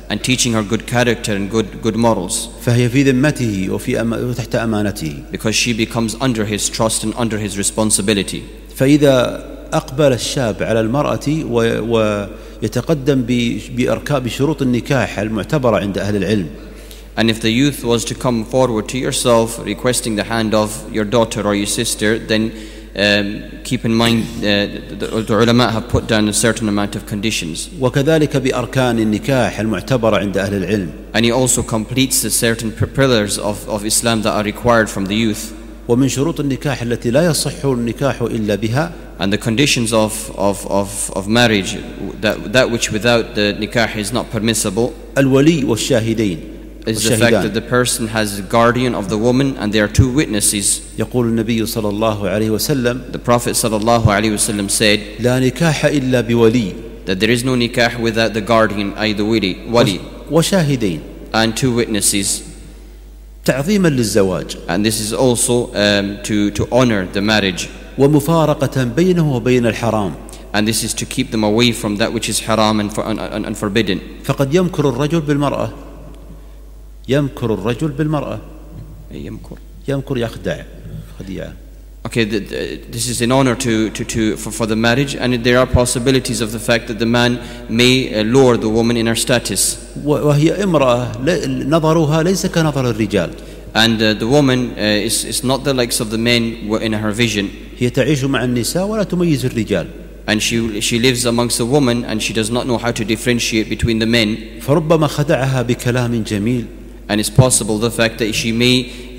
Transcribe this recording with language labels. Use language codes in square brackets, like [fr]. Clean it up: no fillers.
[en] And teaching her good character and good morals. [ar] فهي في ذمته وفي وتحت أمانته. [en] Because she becomes under his trust and under his responsibility. [ar] فإذا أقبل الشاب على المرأة ويتقدم بأركاب بشروط النكاح المعتبرة عند أهل العلم. [en] And if the youth was to come forward to yourself requesting the hand of your daughter or your sister, then keep in mind the ulama have put down a certain amount of conditions. [ar] وكذلك بأركان النكاح المعتبرة عند أهل العلم. [en] And he also completes the certain pillars of Islam that are required from the youth. [ar] ومن شروط النكاح التي لا يصح النكاح إلا بها. [en] And the conditions of marriage that which without the nikah is not permissible. [ar] الولي والشاهدين. [en] Is the fact that the person has a guardian of the woman and there are two witnesses. [ar] يقول النبي صلى الله عليه وسلم. [en] The Prophet [ar] صلى الله عليه وسلم [en] said. [ar] لا نكاح إلا بولي. [en] That there is no nikah without the guardian, أي the ولي. [ar] وشاهدين. [en] And two witnesses. [ar] تعظيما للزواج. [en] And this is also to honor the marriage. [ar] ومفارقة بينه وبين الحرام. [en] And this is to keep them away from that which is haram and forbidden. [ar] فقد يمكر الرجل بالمرأة. يمكر الرجل بالمرأة. يمكر يخدع. خديعة. [en] Okay, this is in honor to for the marriage, and there are possibilities of the fact that the man may lure the woman in her status. [ar] وهي امرأة نظرها ليس كنظر الرجال. [en] And the woman is not the likes of the men in her vision. [ar] هي تعيش مع النساء ولا تميز الرجال. [en] And she lives amongst the women and she does not know how to differentiate between the men. [ar] فربما خدعها بكلام جميل. [en] And it's possible the fact that she may